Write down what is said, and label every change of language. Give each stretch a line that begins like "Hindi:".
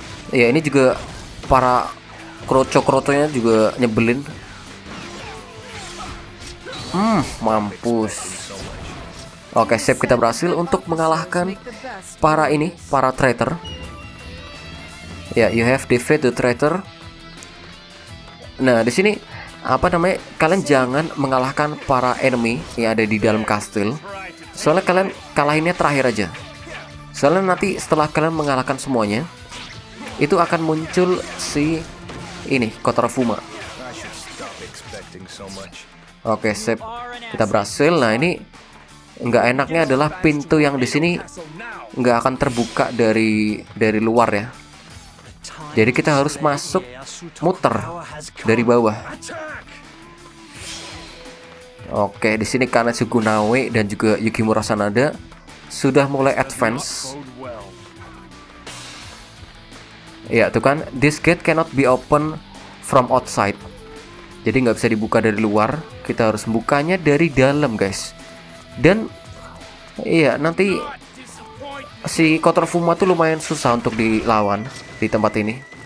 Indonesian: Ya, ini juga para kroco-krotonya juga nyebelin. Mampus. Oke, sip, kita berhasil untuk mengalahkan para ini, para traitor.
English: Ya, yeah, you have defeated the traitor.
Indonesian: Nah, di sini apa namanya? Kalian jangan mengalahkan para enemy yang ada di dalam kastil. Soalnya kalian kalahinnya terakhir aja. Soalnya nanti setelah kalian mengalahkan semuanya, itu akan muncul si ini, Kotor Fuma. Oke, sip, kita berhasil. Nah, ini nggak enaknya adalah pintu yang di sini nggak akan terbuka dari luar ya. Jadi kita harus masuk muter dari bawah. Oke, di sini karena Sugunawe dan juga Yukimura Sanada sudah mulai advance. Ya, tuh kan,
English: this gate cannot be open from outside.
Indonesian: Jadi nggak bisa dibuka dari luar. Kita harus bukanya dari dalam, guys. Dan iya, nanti si Kotor Fuma tuh lumayan susah untuk dilawan di tempat ini.